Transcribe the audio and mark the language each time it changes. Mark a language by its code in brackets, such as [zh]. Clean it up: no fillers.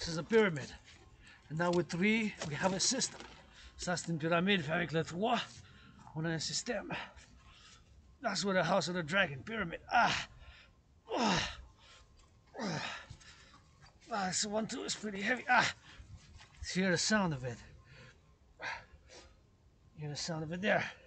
[en] Pyramid. And now with three, we have a system. [fr] Ça c'est une pyramide, avec le trois, on a un système. [en] That's where the house of the dragon, pyramid. This one too is pretty heavy. So you hear the sound of it. You hear the sound of it there.